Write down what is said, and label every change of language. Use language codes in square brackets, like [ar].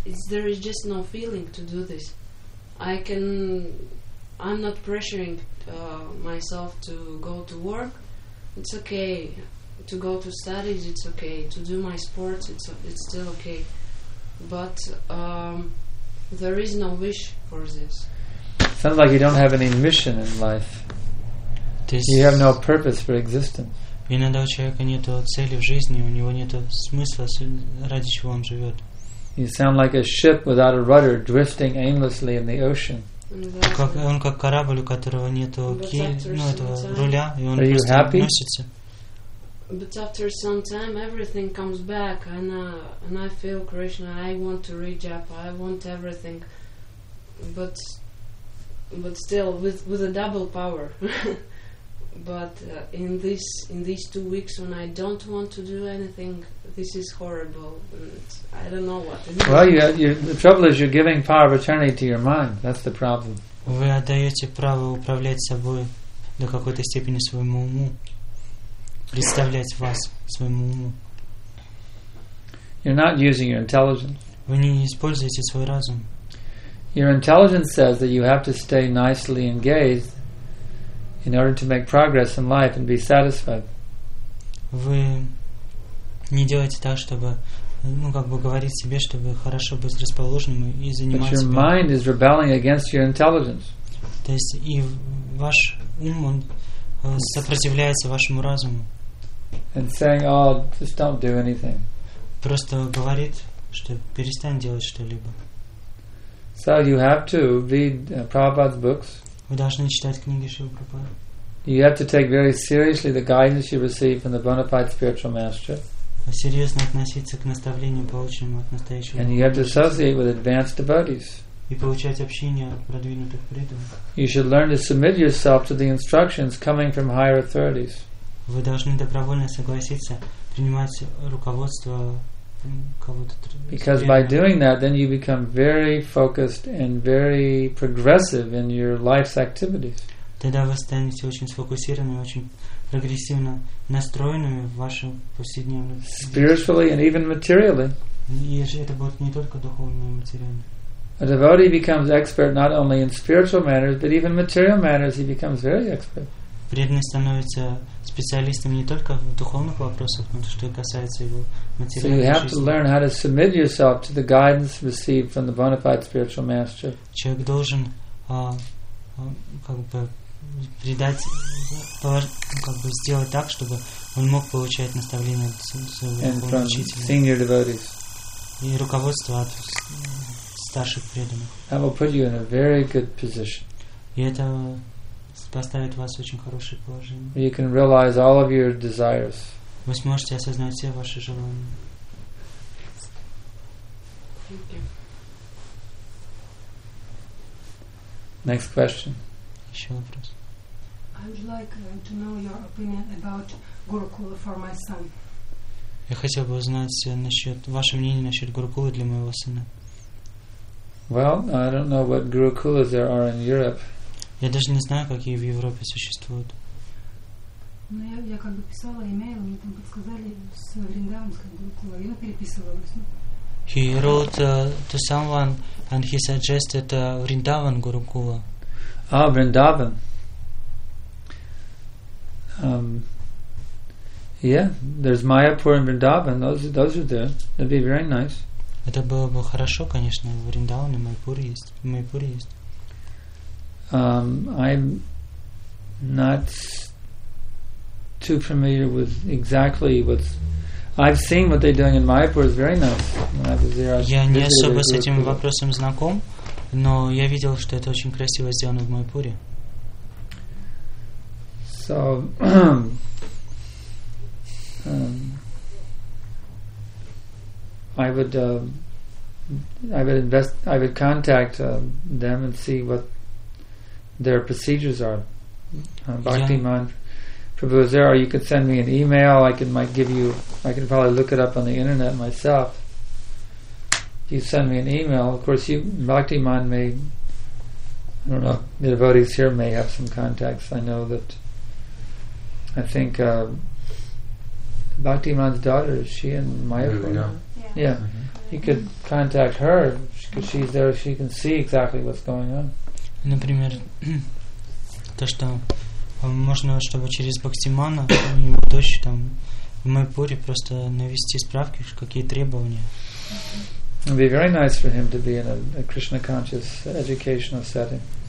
[en] there is just no feeling to do this. I'm not pressuring myself to go to work. It's okay. To go to studies, it's okay. To do my sports, it's still okay. But there is no wish for this. Sounds like you don't have any mission in life. This you have no purpose for existence. [ru] Иногда у человека нет цели в жизни, у него нет смысла, ради чего он живет. [en] You sound like a ship without a rudder, drifting aimlessly in the ocean. [ru] Он как корабль, у которого нет руля, и он просто носится. [en] But after some time, everything comes back, and I feel Krishna. I want to reach up. I want everything, but still with a double power. But in these 2 weeks when I don't want to do anything, this is horrible, and I don't know what. Well, the trouble is you're giving power of attorney to your mind. That's the problem. [ru] Вы отдаете право управлять собой до какой-то степени своему уму. Представлять вас своему уму. [en] You're not using your intelligence. [ru] Вы не используете свой разум. [en] Your intelligence says that you have to stay nicely engaged in order to make progress in life and be satisfied. [ru] Вы не делаете так, чтобы, ну, как бы говорить себе, чтобы хорошо быть расположенным и заниматься. [en] But your mind is rebelling against your intelligence. [ru] То есть и ваш ум он сопротивляется вашему разуму. [en] And saying, "Oh, just don't do anything." [ru] Просто говорит, что перестань делать что-либо. [en] So you have to read Prabhupada's books. [ru] Вы должны читать книги Шрилы Прабхупады. [en] You have to take very seriously the guidance you receive from the bona fide spiritual master. [ru] Серьезно относиться к наставлениям, полученным от настоящего. [en] And you have to associate with advanced devotees. [ru] И получать общение от продвинутых преданных. [en] You should learn to submit yourself to the instructions coming from higher authorities. [ru] Вы должны добровольно согласиться принимать руководство кого-то. [en] Because by doing that, then you become very focused and very progressive in your life's activities. [ru] Тогда вы станете очень сфокусированными, очень прогрессивно настроенными в вашем повседневном жизни. [en] Spiritually and even materially. [ru] И это будет не только духовно, но и материально. [en] A devotee becomes expert not only in spiritual matters, but even material matters. He becomes very expert. [ru] Преданный становится специалистом не только в духовных вопросах, но и что касается его материальной жизни. [en] So you have to learn how to submit yourself to the guidance received from the bona fide spiritual master. [ru] Человек должен как бы сделать так, чтобы он мог получать наставления от своего учителя. [en] Senior devotees. [ru] И руководство от старших преданных. [en] That will put you in a very good position. [ru] И это поставит вас в очень хорошее положение. [en] You can realize all of your desires. [ru] Вы сможете осознать все ваши желания. [en] Next question. [ru] Еще вопрос. [en] I would like to know your opinion about Gurukula for my son. [ru] Я хотел бы узнать насчет ваше мнение насчет Гурукулы для моего сына. [en] Well, I don't know what Gurukulas there are in Europe. [ru] Я даже не знаю, какие в Европе существуют. Ну, я как бы писала имейл, мне там подсказали с Вриндаванской Гурукулой. Я переписывалась. [en] He wrote to someone and he suggested Vrindavan Gurukula. Ah, Vrindavan. Yeah, there's Mayapur and Vrindavan. Those are there. That'd be very nice. [ru] Это было бы хорошо, конечно, в Вриндаване, в Майпуре есть. [en] I'm not too familiar with exactly what's. I've seen what they're doing in Mayapur is very nice. When I was there, [ru] я не особо с этим вопросом знаком, но я видел, что это очень красиво сделано в Майпуре. [en] So, I would contact them and see what their procedures are. Bhakti Man Prabhu is there, or you could send me an email. I can probably look it up on the internet myself. You send me an email. Of course, Bhakti Man may, I don't know, the devotees here may have some contacts. I know that, I think Bhakti Man's daughter, is she in Mayapur? Yeah. Mm-hmm. You could contact her, because she's there, she can see exactly what's going on. [ru] Например, то, что можно, чтобы через Бхактимана и его дочь там в Майпуре просто навести справки, какие требования. [en] It would be very nice for him to be in a Krishna conscious educational setting.